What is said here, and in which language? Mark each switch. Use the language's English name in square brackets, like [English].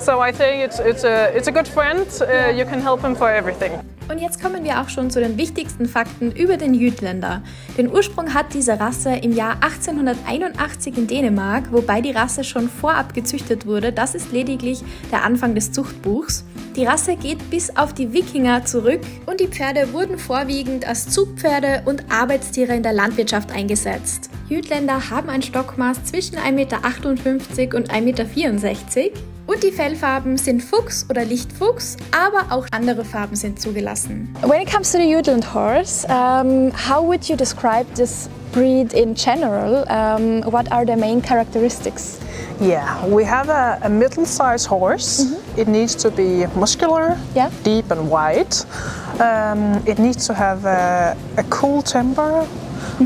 [English] So I think it's a good friend, you can help him for everything. [German] Und jetzt kommen wir auch schon zu den wichtigsten Fakten über den Jütländer. Den Ursprung hat diese Rasse im Jahr 1881 in Dänemark, wobei die Rasse schon vorab gezüchtet wurde. Das ist lediglich der Anfang des Zuchtbuchs. Die Rasse geht bis auf die Wikinger zurück und die Pferde wurden vorwiegend als Zugpferde und Arbeitstiere in der Landwirtschaft eingesetzt. Jütländer haben ein Stockmaß zwischen 1,58 m und 1,64 m. Und die Fellfarben sind Fuchs oder Lichtfuchs, aber auch andere Farben sind zugelassen. [English] When it comes to the Jutland horse, how would you describe this breed in general? What are the main characteristics? Yeah, we have a middle-sized horse. Mm-hmm. It needs to be muscular, deep and wide. It needs to have a cool temper, mm-hmm.